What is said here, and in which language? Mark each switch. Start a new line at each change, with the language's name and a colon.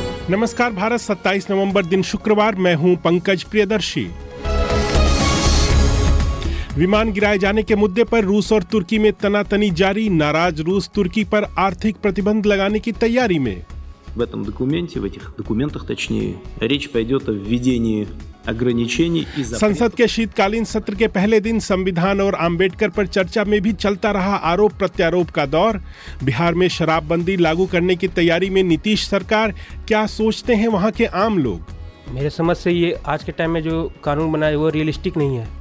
Hindi: नमस्कार भारत 27 नवंबर दिन शुक्रवार, मैं हूं पंकज प्रियदर्शी। विमान गिराए जाने के मुद्दे पर रूस और तुर्की में तनातनी जारी, नाराज रूस तुर्की पर आर्थिक प्रतिबंध लगाने की तैयारी में।
Russian: В этом документе, в этих документах, точнее, речь пойдет о введении ограничений и запретов.
Hindi: संसद के शीतकालीन सत्र के पहले दिन संविधान और आंबेडकर पर चर्चा में भी चलता रहा आरोप प्रत्यारोप का दौर। बिहार में शराबबंदी लागू करने की तैयारी में नीतीश सरकार, क्या सोचते हैं वहां के आम लोग? मेरे समझ से ये आज के टाइम में जो कानून बनाए वो रियलिस्टिक नहीं है।